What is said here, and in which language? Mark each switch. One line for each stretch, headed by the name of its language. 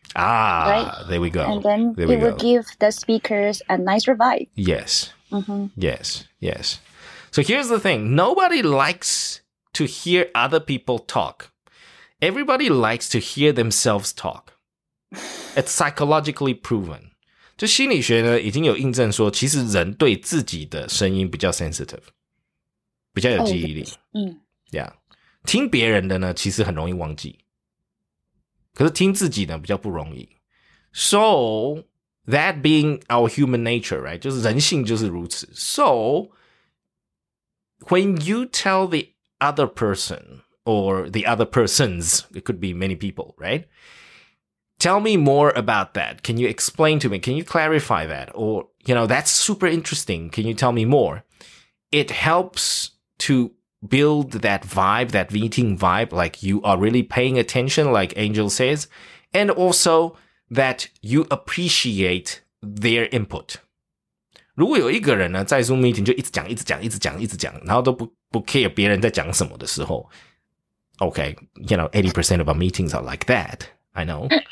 English: Ah, right? There we go. And then it will give the speakers a nicer vibe. Yes.、Mm-hmm. Yes. Yes. So here's the thing. Nobody likes to hear other people talk. Everybody likes to hear themselves talk. It's psychologically proven.
Chinese: 就心理学呢已经有印证说其实人对自己的声音比较 sensitive. 比较有记忆力。嗯、
English: yeah.
Chinese: 听别人的呢其实很容易忘记。可是听自己呢比较不容易
English: So that being our human nature, right?
Chinese: 就是人性就是如此
English: So when you tell the other person or the other persons, it could be many people, right? Tell me more about that. Can you explain to me? Can you clarify that? Or, you know, that's super interesting. Can you tell me more? It helps to... build that vibe, that meeting vibe, like you are really paying attention, like Angel says, and also that you appreciate their input.
Chinese: 如果有一个人呢在 Zoom meeting 就一直讲一直讲一直讲一直讲然后都不 care 别人在讲什么的时候
English: okay, you know, 80% of our meetings are like that, I know.